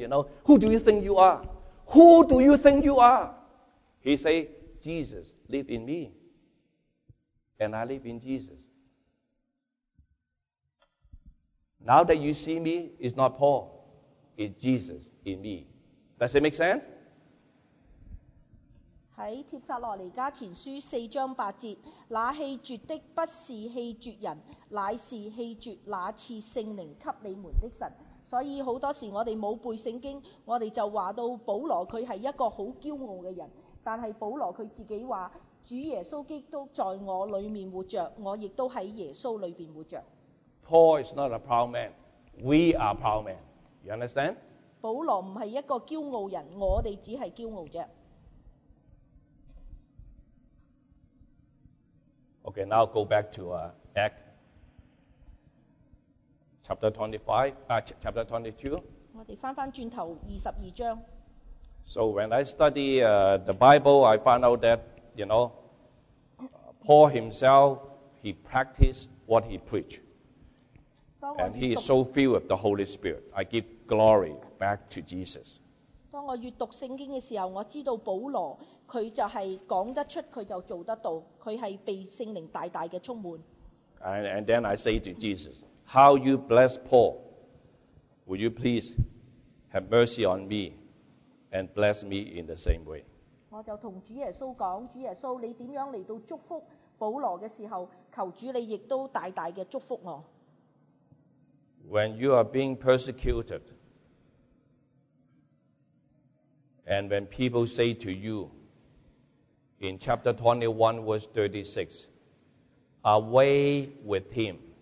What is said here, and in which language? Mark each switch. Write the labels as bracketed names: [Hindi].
[English] You know, who do you think you are? Who do you think you are? He say, Jesus live in me. And I live in Jesus. Now that you see me, it's not Paul. It's Jesus in me. Does it make sense? [Chinese] 在帖撒罗尼加前书四章八节，那弃绝的不是弃绝人，乃是弃绝那赐圣灵给你们的神。所以很多时候我们没有背圣经，我们就说到保罗他是一个很骄傲的人，但是保罗他自己说，主耶稣基督在我里面活着，我也都在耶稣里面活着。 [English] Paul is not a proud man, we are proud man. You understand? [Chinese] 保罗不是一个骄傲人，我们只是骄傲而已。 [English] Okay, now go back to Acts chapter 25, chapter 22. [Chinese] 我们翻翻转头二十二章。 [English] So when I study the Bible, I found out that, you know, Paul himself, he practiced what he preached. And he is so filled with the Holy Spirit. I give glory back to Jesus. [Chinese] 当我阅读圣经的时候，我知道保罗他就是讲得出，他就做得到，他是被圣灵大大的充满。 [English] And then I say to Jesus, how you bless Paul, would you please have mercy on me and bless me in the same way? [Chinese] 我就跟主耶稣说，主耶稣，你怎样来到祝福保罗的时候，求主你也都大大的祝福我。 [English] When you are being persecuted,And when people say to you, in chapter 21, verse 36, away with him.